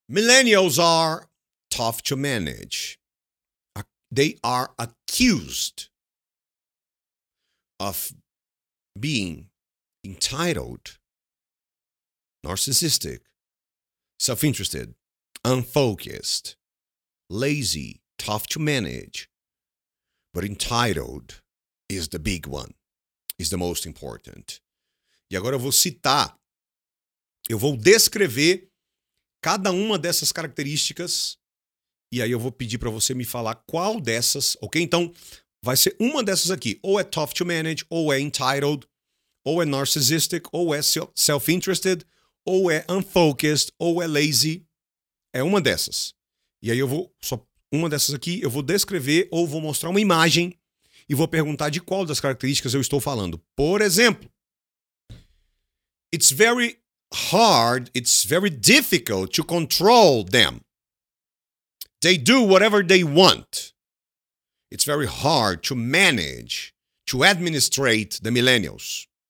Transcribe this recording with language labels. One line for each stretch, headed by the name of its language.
English: Millennials are tough to manage. They are accused of being entitled, narcissistic, self-interested, unfocused, lazy, tough to manage. But entitled is the big one, is the most important.
Portuguese: E agora eu vou citar, eu vou descrever cada uma dessas características. E aí eu vou pedir para você me falar qual dessas, ok? Então, vai ser uma dessas aqui. Ou é tough to manage, ou é entitled, ou é narcissistic, ou é self-interested, ou é unfocused, ou é lazy. É uma dessas. E aí eu vou, só uma dessas aqui, eu vou descrever ou vou mostrar uma imagem e vou perguntar de qual das características eu estou falando. Por exemplo,
English: it's very hard, it's very difficult to control them. They do whatever they want. It's very hard to manage, to administrate the millennials.